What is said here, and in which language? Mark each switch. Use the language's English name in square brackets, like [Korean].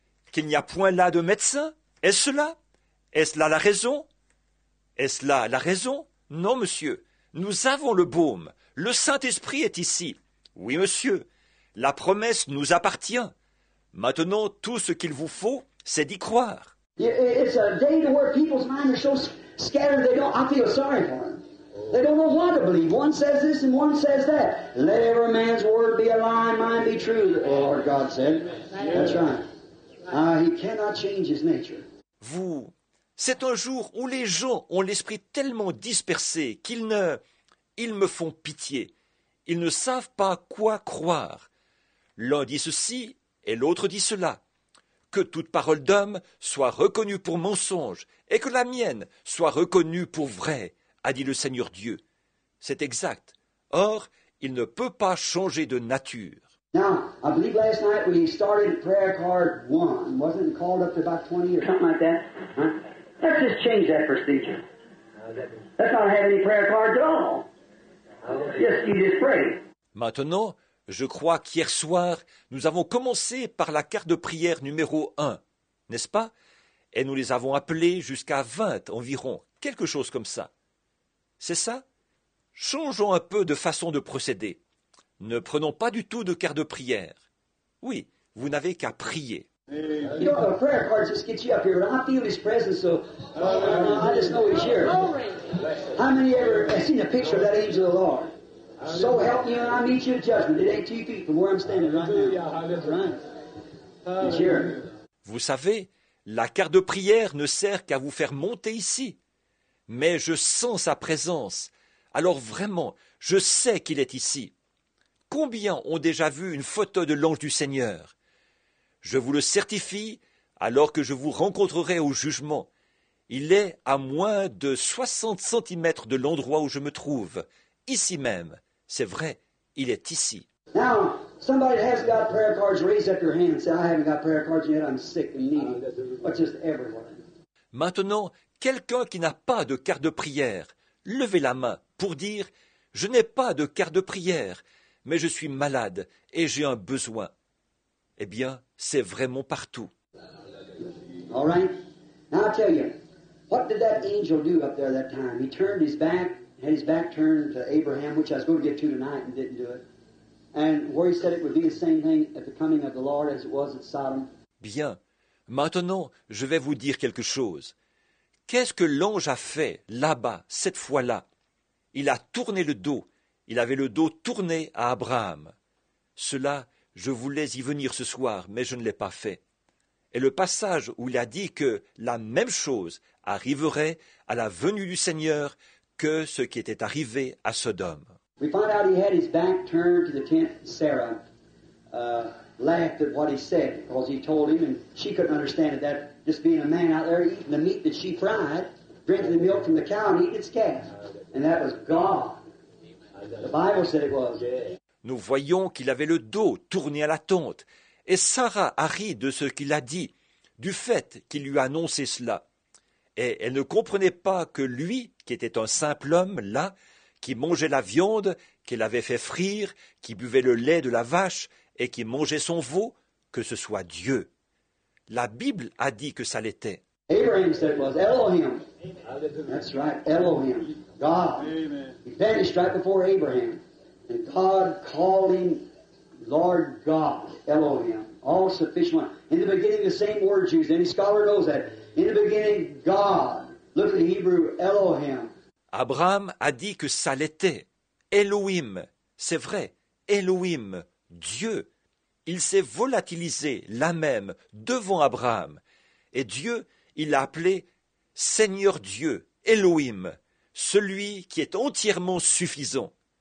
[French] Qu'il n'y a point là de médecin? Est-ce là? Est-ce là la raison? Est-ce là la raison? Non, monsieur. Nous avons le baume. Le Saint-Esprit est ici. Oui, monsieur. La promesse nous appartient. Maintenant, tout ce qu'il vous faut, c'est d'y croire. [English] It's a day to where people's minds are so scattered they don't. I feel sorry for them. They don't know what to believe. One says this and one says that. Let every man's word be a lie and mine be true, the Lord God said. That's right. He cannot change his nature. [French] Vous, c'est un jour où les gens ont l'esprit tellement dispersé qu'ils ne... Ils me font pitié. Ils ne savent pas quoi croire. L'un dit ceci et l'autre dit cela. Que toute parole d'homme soit reconnue pour mensonge et que la mienne soit reconnue pour vraie, a dit le Seigneur Dieu. C'est exact. Or, il ne peut pas changer de nature. [English] Now, I believe last night we started prayer card one. Wasn't it called up to about 20 or something like that? Huh? Let's just change that procedure. Let's not have any prayer cards at all. You just pray. [French] Maintenant, je crois qu'hier soir, nous avons commencé par la carte de prière numéro 1, n'est-ce pas? Et nous les avons appelées jusqu'à 20 environ, quelque chose comme ça. C'est ça? Changeons un peu de façon de procéder. Ne prenons pas du tout de carte de prière. Oui, vous n'avez qu'à prier. [English] You know, a prayer card just gets you up here, but I feel his presence, so I just know he's here. How many ever have seen a picture of that angel of the Lord? So help me, I meet you in judgment. It ain't 2 feet from where I'm standing right now. He's here. [French] Vous savez, La carte de prière ne sert qu'à vous faire monter ici. Mais je sens sa présence. Alors vraiment, je sais qu'il est ici. Combien ont déjà vu une photo de l'ange du Seigneur? Je vous le certifie, alors que je vous rencontrerai au jugement. Il est à moins de 60 centimètres de l'endroit où je me trouve, ici même. C'est vrai, il est ici. [English] Now, somebody has got prayer cards, raise up your hand and say, I haven't got prayer cards yet, I'm sick and needy. But just everyone. [French] Maintenant, quelqu'un qui n'a pas de carte de prière, levez la main pour dire, je n'ai pas de carte de prière, mais je suis malade et j'ai un besoin. Eh bien, c'est vraiment partout. [English] All right. Now I'll tell you, what did that angel do up there that time? He turned his back, had his back turned to Abraham, which I was going to get to tonight and didn't do it. And where he said it would be the same thing at the coming of the Lord as it was at Sodom. [French] Bien. Maintenant, je vais vous dire quelque chose. Qu'est-ce que l'ange a fait là-bas, cette fois-là? Il a tourné le dos. Il avait le dos tourné à Abraham. Cela, je voulais y venir ce soir, mais je ne l'ai pas fait. Et le passage où il a dit que la même chose arriverait à la venue du Seigneur que ce qui était arrivé à Sodome. [English] We find out he had his back turned to the tent. Sarah laughed at what he said because he told him, and she couldn't understand it, that just being a man out there eating the meat that she fried, drinking the milk from the cow and eating its calf. And that was God. The Bible said it was. [French] Nous voyons qu'il avait le dos tourné à la tente. Et Sarah a ri de ce qu'il a dit, du fait qu'il lui a annoncé cela. Et elle ne comprenait pas que lui, qui était un simple homme, là, qui mangeait la viande qu'elle avait fait frire, qui buvait le lait de la vache et qui mangeait son veau, que ce soit Dieu. La Bible a dit que ça l'était. [English] Abraham said it was Elohim. That's right, Elohim, God. He vanished right before Abraham. And God called him Lord God, Elohim, all sufficient one. In the beginning, the same words used. Any scholar knows that. In the beginning, God. Look at the Hebrew, Elohim. [French] Abraham a dit que ça l'était. Elohim, c'est vrai. Elohim, Dieu. Il s'est volatilisé là même devant Abraham. Et Dieu, il l'a appelé Seigneur Dieu, Elohim, celui qui est entièrement suffisant.